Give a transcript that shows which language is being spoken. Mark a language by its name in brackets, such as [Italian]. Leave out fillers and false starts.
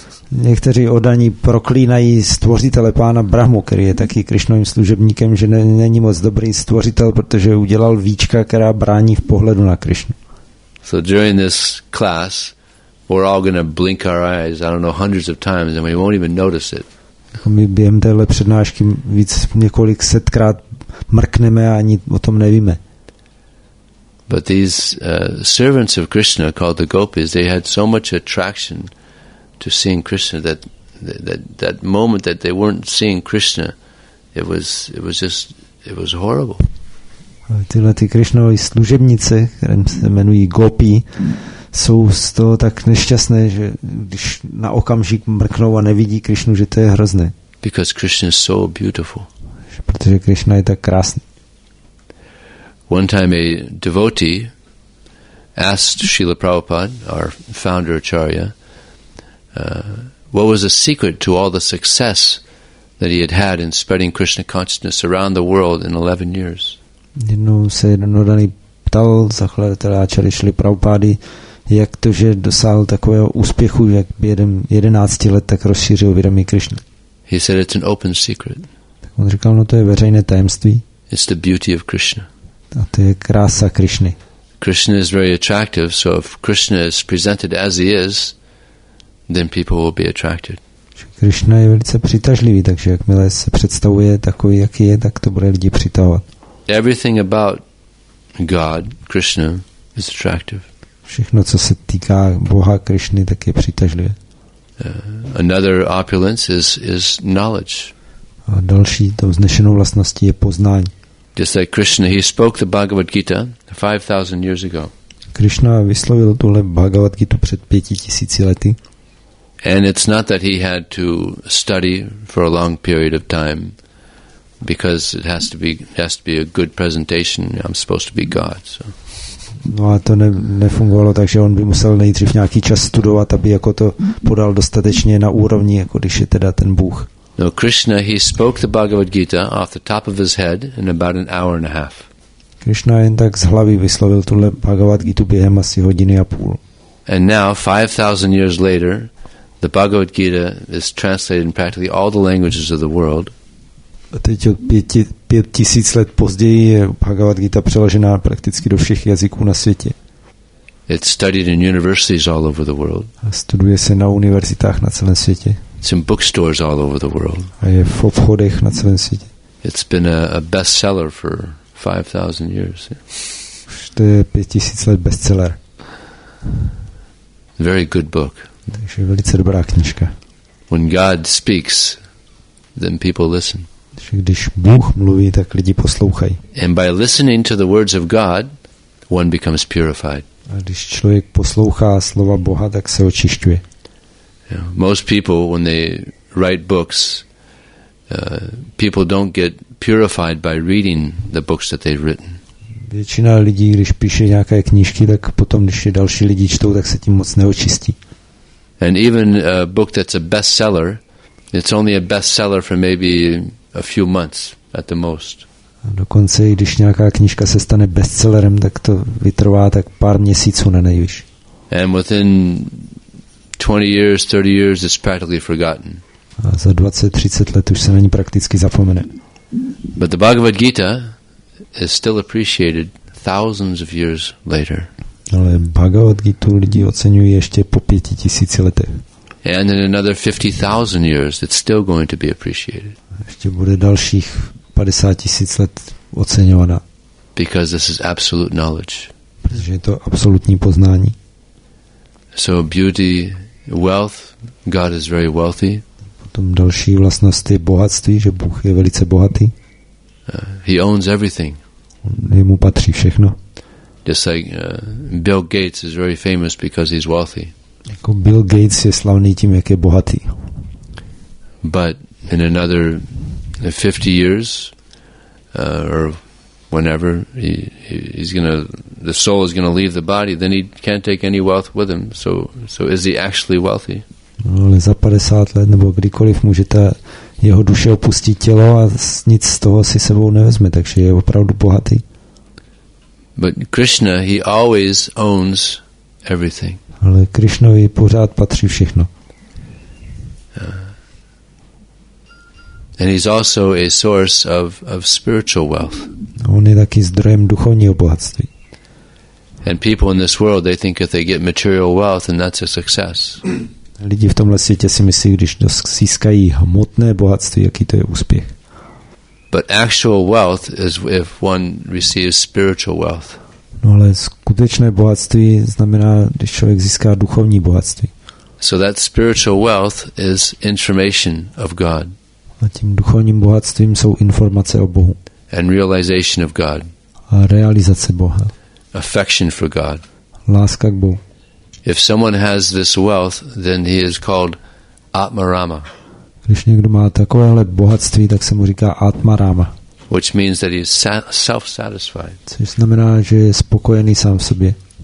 [Czech] Někteří odaní proklínají stvořitele pána Brahmu, který je taky Krišnovým služebníkem, že není moc dobrý stvořitel, protože udělal víčka, která brání v pohledu na Krišnu. [English] So during this class, we're all going to blink our eyes, I don't know, hundreds of times, and we won't even notice it. [Czech] My během téhle přednášky víc několik setkrát mrkneme a ani o tom nevíme. [English] But these servants of Krishna called the gopis, they had so much attraction to seeing Krishna that moment that they weren't seeing Krishna, it was horrible. [Czech] Tyhle ty Krishnovy služebnice, které se jmenují gopi, jsou z toho tak nešťastné, že když na okamžik mrknou a nevidí Krishnu, že to je hrozné. [English] Because Krishna is so beautiful. [Czech] Protože Krishna je tak krásný. [English] One time a devotee asked Srila Prabhupada, our founder Acharya, what was the secret to all the success that he had in spreading Krishna consciousness around the world in 11 years? [Czech] Jednou se jeden odaný ptal zakladatele Acharya Srila Prabhupada, jak to, že dosáhl takového úspěchu, jak by 11 let tak rozšířil vědomí Krishna. [English] He said it's an open secret. [Czech] Tak on říkal, no to je veřejné tajemství. [English] It's the beauty of Krishna. [Czech] A to je krása Krishny. [English] Krishna is very attractive, so if Krishna is presented as he is, then people will be attracted. [Czech] Krishna je velice přitažlivý, takže jakmile se představuje takový, jaký je, tak to bude lidi přitahovat. [English] Everything about God, Krishna, is attractive. [Czech] Všechno, co se týká Boha Krishny, tak je přitažlivé. [English] Another opulence is knowledge. [Czech] A další tou vznešenou vlastností je poznání. [English] Just like Krishna, he spoke the Bhagavad Gita 5,000 years ago. [Czech] Krishna vyslovil tuhle Bhagavad Gitu před 5,000 lety. [English] And it's not that he had to study for a long period of time, because it has to be a good presentation. I'm supposed to be God. So. [Czech] No a to nefungovalo, takže on by musel nejdřív nějaký čas studovat, aby jako to podal dostatečně na úrovni, jako když je teda ten Bůh. [English] No, Krishna, he spoke the Bhagavad Gita off the top of his head in about an hour and a half. [Czech] Krišna jen tak z hlavy vyslovil tuhle Bhagavad Gītu během asi hodiny a půl. [English] And now 5000 years later, the Bhagavad Gita is translated in practically all the languages of the world. [Czech] A teď od 5000 let později je Bhagavad Gita přeložena prakticky do všech jazyků na světě. [English] It's studied in universities all over the world. [Czech] A studuje se na univerzitách na celém světě. [English] It's in bookstores all over the world. [Czech] A je v obchodech na celém světě. [English] It's been a bestseller for 5000 years. [Czech] Už to je 5000 let bestseller. [English] Very good book. [Czech] Takže velice dobrá knižka. [English] When God speaks, then people listen. [Czech] Když Bůh mluví, tak lidi poslouchají. [English] And by listening to the words of God, one becomes purified. [Czech] A když člověk poslouchá slova Boha, tak se očišťuje. [English] Yeah. Most people, when they write books, people don't get purified by reading the books that they've written. [Czech] Většina lidí, když píše nějaké knížky, tak potom, když je další lidi čtou, tak se tím moc neočistí. [English] And even a book that's a bestseller, it's only a bestseller for maybe a few months at the most. [Czech] A dokonce, když nějaká knížka se stane bestsellerem, tak to vytrvá tak pár měsíců na nejvíc. [English] And within 20 years, 30 years, it's practically forgotten. [Czech] A za 20-30 let už se na ní prakticky zapomene. [English] But the Bhagavad Gita is still appreciated thousands of years later. [Czech] Ale Bhagavad Gītu lidi oceňují ještě po 5000 letech. [English] And in another 50,000 years, it's still going to be appreciated. [Czech] Ještě bude dalších 50,000 let oceňovaná. [English] Because this is absolute knowledge. [Czech] Protože je to absolutní poznání. [English] So beauty, wealth, God is very wealthy. [Czech] Potom další vlastnosti bohatství, že Bůh je velice bohatý. [English] He owns everything. [Czech] Jemu patří všechno. [English] Just like Bill Gates is very famous because he's wealthy. [Czech] Jako Bill Gates je slavný tím, jak je bohatý. [English] But in another 50 years or whenever he's going to, the soul is going to leave the body, then he can't take any wealth with him. So is he actually wealthy? [Czech] No, ale za 50 let nebo kdykoliv může ta jeho duše opustit tělo a nic z toho si sebou nevezme, takže je opravdu bohatý. [English] But Krishna, he always owns everything. [Czech] Ale Krišnovi pořád patří všechno. [English] And he's also a source of spiritual wealth. [Czech] On je taky zdrojem duchovního bohatství. [English] And people in this world, they think if they get material wealth, then that's a success. [Czech] Lidi v tomhle světě si myslí, když získají hmotné bohatství, jaký to je úspěch. [English] But actual wealth is if one receives spiritual wealth. [Czech] No, ale skutečné bohatství znamená, když člověk získá duchovní bohatství. [English] So that spiritual wealth is information of God. [Czech] A tím duchovním bohatstvím jsou informace o Bohu. [English] And realization of God. [Czech] A realizace Boha. [English] Affection for God. [Czech] Láska k Bohu. [English] If someone has this wealth, then he is called Atmarama. [Czech] Když někdo má takovéhle bohatství, tak se mu říká Atmarama. [English] Which means that he is self-satisfied. [Czech] Což znamená, že je spokojený sám v sobě.